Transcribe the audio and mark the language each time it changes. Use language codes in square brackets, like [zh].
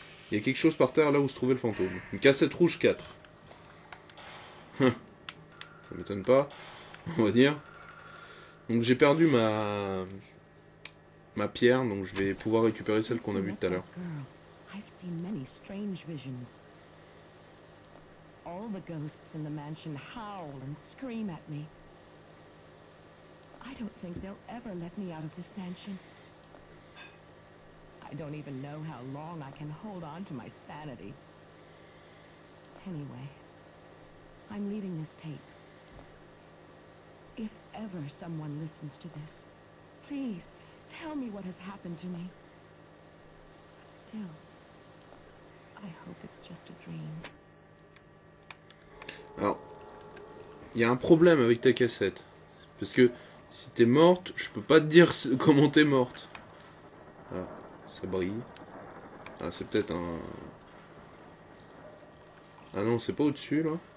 [fr] Il y a quelque chose par terre là où se trouvait le fantôme. Une cassette rouge 4. Ça m'étonne pas, on va dire. Donc j'ai perdu ma pierre, donc je vais pouvoir récupérer celle qu'on a vue tout à l'heure. [en] I've seen many strange visions. All the ghosts in the mansion howl and scream at me. I don't think they'll ever let me out of this mansion. I don't even know how long I can hold on to my sanity. Anyway, I'm leaving this tape. If ever someone listens to this, please tell me what has happened to me. But still, I hope it's just a dream. [fr] Alors, il y a un problème avec ta cassette. Parce que si t'es morte, je peux pas te dire comment t'es morte. Ah, ça brille. Ah, c'est peut-être un... Ah non, c'est pas au-dessus, là.